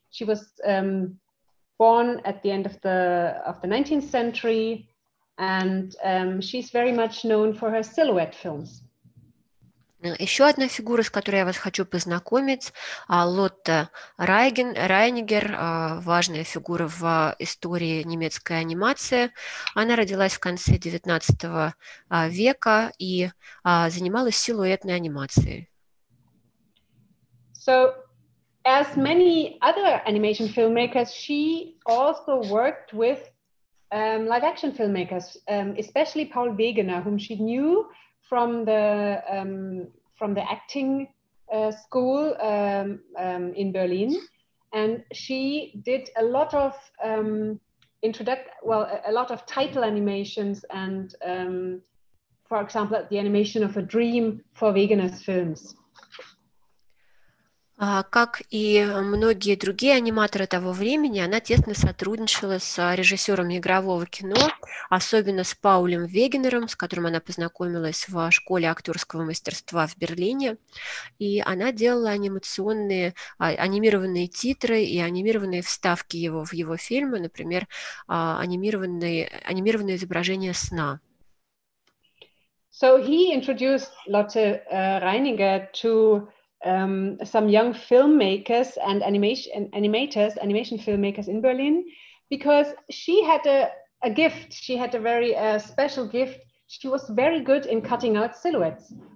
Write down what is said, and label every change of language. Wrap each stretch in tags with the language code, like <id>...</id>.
<en>She was born at the end of the 19th century, and she's very much known for her silhouette films.</en> <ru>Еще одна фигура, с которой я вас хочу познакомить, Лотта Райнигер, важная фигура в истории немецкой анимации. Она родилась в конце 19 века и занималась силуэтной анимацией.</ru> <en>So, as many other animation filmmakers, she also worked with live-action filmmakers, especially Paul Wegener, whom she knew from the acting school in Berlin, and she did a lot of a lot of title animations, and for example, the animation of a dream for Wegener's films.</en> <ru>Как и многие другие аниматоры того времени, она тесно сотрудничала с режиссером игрового кино, особенно с Паулем Вегенером, с которым она познакомилась в школе актерского мастерства в Берлине. И она делала анимированные титры и анимированные вставки в его фильмы, например, анимированное изображение сна.</ru> <en>So he introduced Lotte Reininger to some young filmmakers and animation filmmakers in Berlin, because she had a gift. She had a very special gift. She was very good in cutting out silhouettes.</en>